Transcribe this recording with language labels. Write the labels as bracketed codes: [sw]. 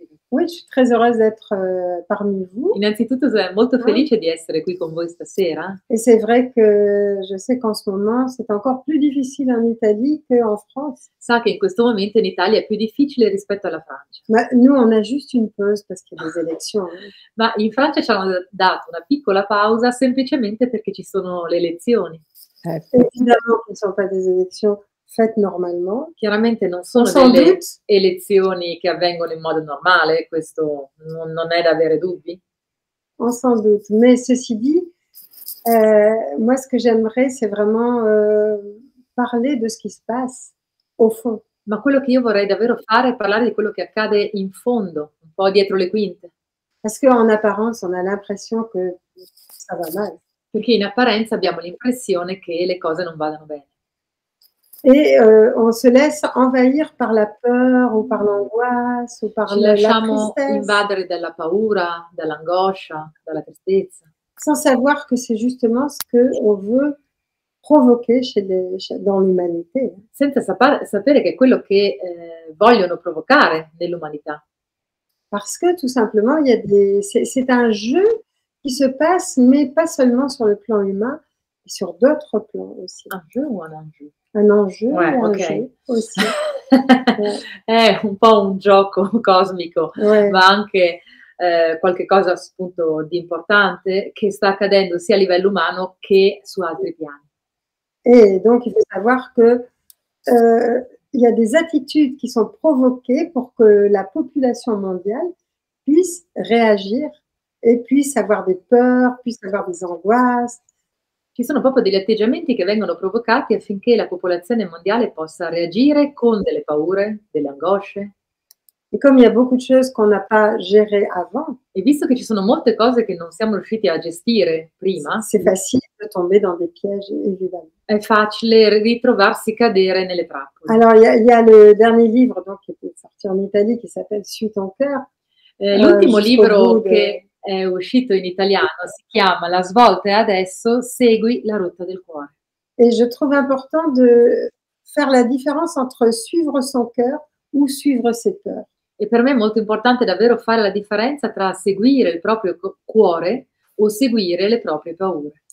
[fr] Oui, je suis très heureuse d'être parmi vous. [it] Innanzitutto sono molto felice di essere qui con voi stasera. [fr] E c'est vrai que je sais qu'en ce moment c'est encore plus difficile en Italie que en France. [it] Sa che in questo momento in Italia è più difficile rispetto alla Francia. [fr] Ma nous on a juste une pause parce qu'il y a des élections. [it] Ma in Francia ci hanno dato una piccola pausa semplicemente perché ci sono le elezioni. [fr] Évidemment, ce ne sont pas des élections. Fait normalement. [it] Chiaramente non sono delle elezioni che avvengono in modo normale, questo non è da avere dubbi. [fr] On s'en doute, mais ceci dit, moi ce que j'aimerais c'est vraiment parler de ce qui se passe au fond. [it] Ma quello che io vorrei davvero fare è parlare di quello che accade in fondo, un po' dietro le quinte. [fr] Parce qu'en apparence on a l'impression que ça va mal. [it] Perché in apparenza abbiamo l'impressione che le cose non vadano bene. [fr] Et on se laisse envahir par la peur ou par l'angoisse ou par la tristesse. [it] Ci lasciamo invadere dalla paura, dall'angoscia, dalla tristezza. [fr] Sans savoir que c'est justement ce que on veut provoquer dans l'humanité. [it] Senza sapere che è quello che vogliono provocare nell'umanità. [fr] Parce que tout simplement, c'est un jeu qui se passe, mais pas seulement sur le plan humain, mais sur d'autres plans aussi. Un jeu ou un enjeu? Un enjeu, ouais, un okay. Jeu aussi. [it] È un po' un gioco cosmico, ouais. Ma anche qualche cosa appunto di importante che sta accadendo sia a livello umano che su altri piani. [fr] E donc il faut savoir que il y a des attitudes qui sont provoquées pour que la population mondiale puisse réagir et puisse avoir des peurs, puisse avoir des angoisses. [it] ci sono proprio degli atteggiamenti che vengono provocati affinché la popolazione mondiale possa reagire con delle paure, delle angosce. E come [fr] il y a beaucoup de choses qu'on n'a pas géré avant. [it] E visto che ci sono molte cose che non siamo riusciti a gestire prima, [fr] c'est facile de tomber dans des pièges, évidemment. [it] È facile ritrovarsi cadere nelle trappole. [fr] Alors il y a le dernier livre donc qui est sorti en Italie qui s'appelle Suis ton cœur. [it] L'ultimo libro che è uscito in italiano si chiama La svolta è adesso, segui la rotta del cuore. [fr] Et je trouve important de faire la différence entre suivre son cœur ou suivre ses peurs. [it] E per me è molto importante davvero fare la differenza tra seguire il proprio cuore o seguire le proprie paure.